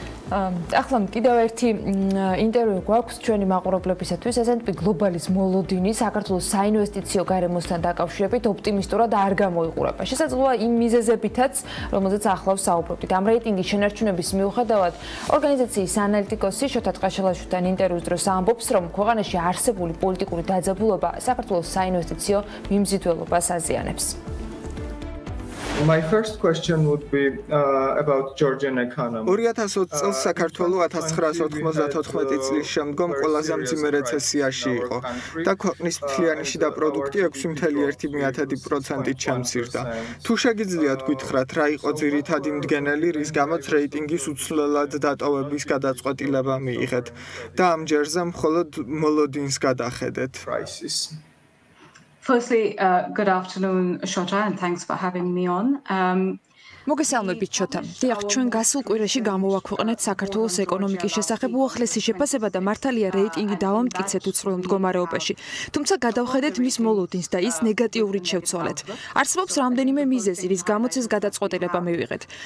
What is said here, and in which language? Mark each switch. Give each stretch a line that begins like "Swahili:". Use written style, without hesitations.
Georgian: ახლან კიდევ ერთი ინტერვიუ გვაქვს ჩვენი მაყურებლებისათვის, ესენ თუ გლობალის მოლოდინი საქართველოს საინვესტიციო გარემოსთან დაკავშირებით ოპტიმიストურად არ გამოიყურება. შესაძლოა იმ მიზეზებითაც, რომელზეც ახლავს საუბრობთ. ამ რეიტინგის შენარჩუნების მიუხედავად, ორგანიზაციის ანალიტიკოსი შოთა ტყაშელაშვილთან ინტერვიუს დროს ამბობს, რომ ქვეყანაში არსებული პოლიტიკური დაძაბულობა საქართველოს საინვესტიციო მიმზიდველობას აზიანებს.
English: My first question would be about Georgian economy.
Georgian: 2020 წელს საქართველოს 1994 წლის შემდგომ ყველაზე მძიმე რეცესიაში იყო და ქვეყნის მთლიანი პროდუქტი 6.1% ჩამცირდა. თუ შეგიძლიათ გითხრათ, რა იყო ძირითადი მდგენელი, რის გამოც რეიტინგის უცვლელად დატოვების გადაწყვეტილება მიიღეთ და ამ ჯერზე მხოლოდ მოლოდინს გადახედეთ?
English: Firstly, good afternoon, Shota, and thanks for having me on.
Georgian: მოგესალმებით შოთა. დიახ, ჩვენ გასულ კვირაში გამოვაქვეყნეთ საქართველოს ეკონომიკის შესახებ უახლესი შეფასება და მართალია რეიტინგი დავამტკიცეთ უცვლელ მდგომარეობაში. თუმცა გადავხედეთ მის მოლოდინს და ის ნეგატიურით შევცვალეთ. არსებობს რამდენიმე მიზეზი, რის გამოც ეს გადაწყვეტილება მივიღეთ.